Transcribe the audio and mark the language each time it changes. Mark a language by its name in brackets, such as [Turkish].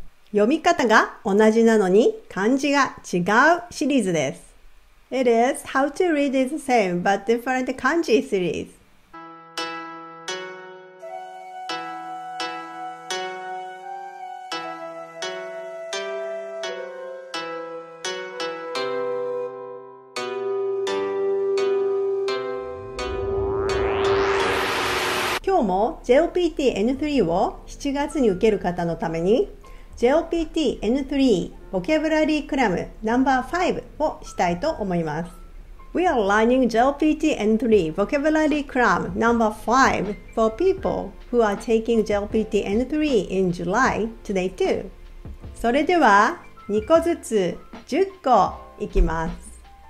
[Japanese] 読み方が同じなのに漢字が違うシリーズです。 [English] It is How to Read is the Same, but Different Kanji Series。 [Japanese] 今日も JLPT-N3 を7月に受ける方のために JLPT-N3 ボキャブラリークラム No.5 をしたいと思います。 [English] We are learning JLPT-N3 ボキャブラリークラム No.5 for people who are taking JLPT-N3 in July today too。 [Japanese] それでは2個ずつ10個いきます。